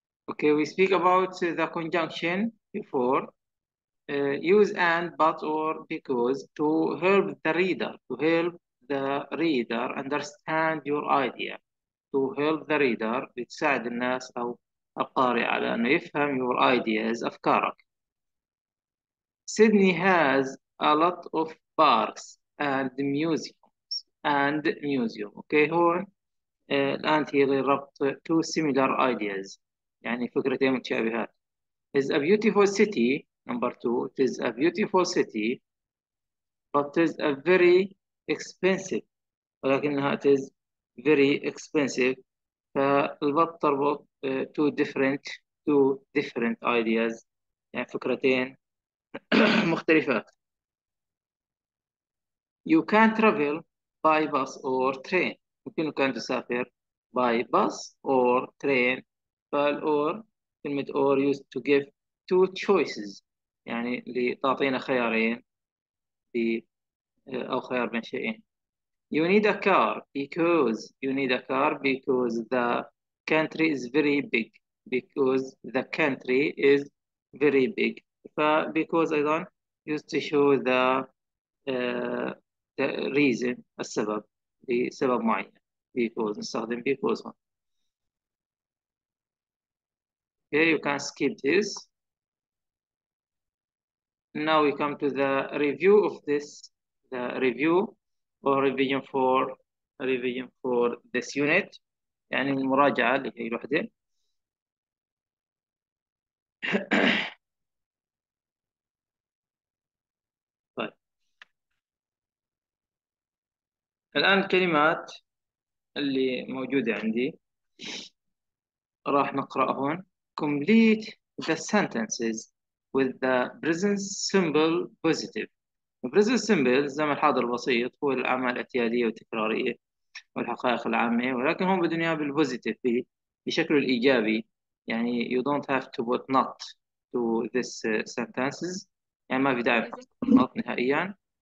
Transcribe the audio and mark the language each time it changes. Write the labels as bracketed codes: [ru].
[en] Okay, we speak about the conjunction before. Use and, but, or because to help the reader, understand your idea. To help the reader, [ar] بتساعد الناس أو القارئ على أنه يفهم [en] your ideas, [ar] أفكارك. [en] Sydney has a lot of parks and museums. And museum. [ar] Okay, هون الآن هي ربط [en] two similar ideas. [ar] يعني فكرتين متشابهات. [en] It's a beautiful city, number two. It is a beautiful city, but it is a very expensive. [ar] ولكنها [en] it is very expensive. [ar] فالبط تربط [en] two different ideas. [ar] يعني فكرتين مختلفات. [en] You can travel by bus or train. [ar] يمكنك أن تسافر [en] by bus or train. [ar] فال or كلمة or [en] used to give two choices [ar] يعني لتعطينا خيارين أو خيار بين شيئين. [en] You need a car because the country is very big. Because the country is very big. [ar] ف because أيضا [en] used to show the reason [ar] السبب لسبب معين. [en] Because [ar] نستخدم [en] because one. Okay, you can skip this. Now we come to the review of this, the review or revision for this unit. [ar] يعني المراجعة لهي الوحدة. الآن الكلمات اللي موجودة عندي راح نقرأهن. [en] Complete the sentences with the present simple positive. [ar] The present simple الزمن الحاضر البسيط هو الأعمال الاعتيادية والتكرارية والحقائق العامة، ولكن هم بدهم إياها بالبوزيتيف بشكل الإيجابي. يعني [en] you don't have to put not to this sentences، [ar] يعني ما في داعي تحط not نهائيا.